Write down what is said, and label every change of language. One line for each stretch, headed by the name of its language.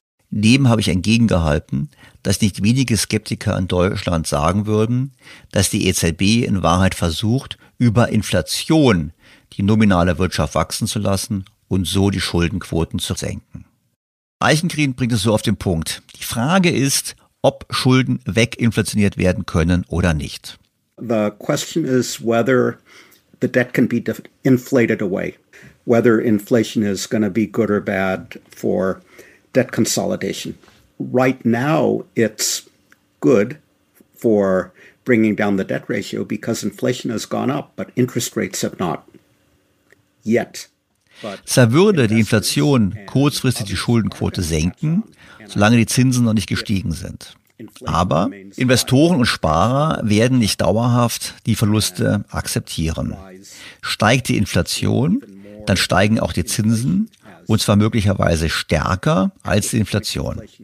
German: Dem habe ich entgegengehalten, dass nicht wenige Skeptiker in Deutschland sagen würden, dass die EZB in Wahrheit versucht, über Inflation die nominale Wirtschaft wachsen zu lassen und so die Schuldenquoten zu senken. Eichengreen bringt es so auf den Punkt. Die Frage ist, ob Schulden weginflationiert werden können oder nicht.
English: The question is whether the debt can be inflated away, whether inflation is going to be good or bad for debt consolidation. Right now it's good for bringing down the debt ratio because inflation has gone up, but interest rates have not yet.
German: Zerwürde die Inflation kurzfristig die Schuldenquote senken, solange die Zinsen noch nicht gestiegen sind. Aber Investoren und Sparer werden nicht dauerhaft die Verluste akzeptieren. Steigt die Inflation, dann steigen auch die Zinsen, und zwar möglicherweise stärker als die Inflation.